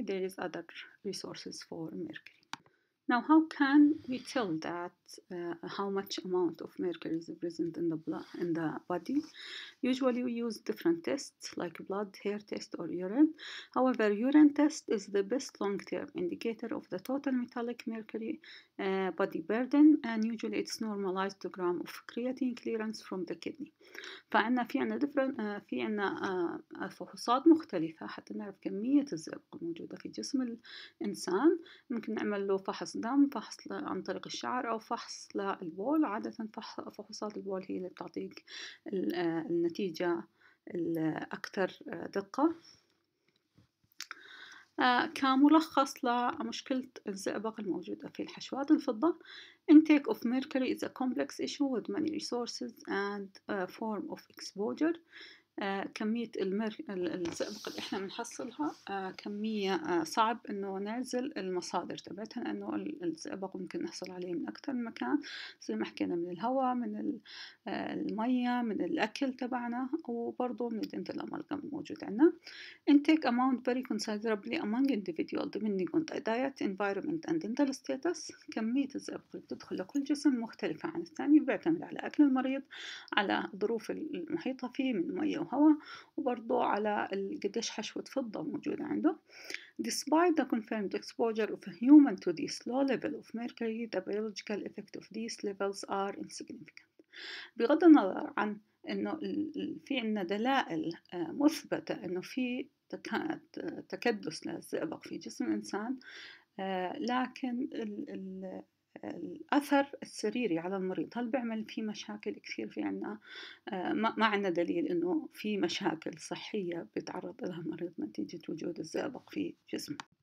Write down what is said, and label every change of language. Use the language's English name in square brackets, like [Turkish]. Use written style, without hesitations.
[English] There is other resources for mercury. Now, how can we tell that how much amount of mercury is present in the blood in the body? Usually, we use different tests like blood, hair test, or urine. However, urine test is the best long-term indicator of the total metallic mercury body burden, and usually, it's normalized to gram of creatinine clearance from the kidney. [Arabic] فعنا في عنا [English] different [Arabic] في عنا فحوصات مختلفة حتى نعرف كمية الزئبق الموجودة في جسم الإنسان. ممكن نعمل له فحص دم، فحص عن طريق الشعر، أو فحص للبول. عادة فحوصات البول هي اللي بتعطيك النتيجة الأكثر دقة. كملخص لمشكلة الزئبق الموجودة في الحشوات الفضة, [English] intake of mercury is a complex issue with many resources and form of exposure. [Arabic] كمية الزئبق اللي احنا بنحصلها كمية صعب انه نعزل المصادر تبعتها, لانه الزئبق ممكن نحصل عليه من اكثر من مكان زي ما حكينا, من الهواء, من المية, من الاكل تبعنا, وبرضه من الدنتال امالجام الموجود عندنا. [English] intake amount very considerably among individuals depending on the diet, environment and dental status. [Arabic] كمية الزئبق اللي بتدخل لكل جسم مختلفة عن الثاني, بيعتمد على اكل المريض, على الظروف المحيطة فيه من مية وهواء, وبرضو على قديش حشوة فضة موجودة عنده. [English] Despite the confirmed exposure of a human to this low level of mercury, the biological effect of these levels are insignificant. [Arabic] بغض النظر عن انه في عندنا دلائل مثبتة انه في تكدس للزئبق في جسم الانسان, لكن الأثر السريري على المريض هل بيعمل فيه مشاكل كثير؟ في عنا ما عنا دليل إنه في مشاكل صحية بتعرض لها المريض نتيجة وجود الزئبق في جسمه.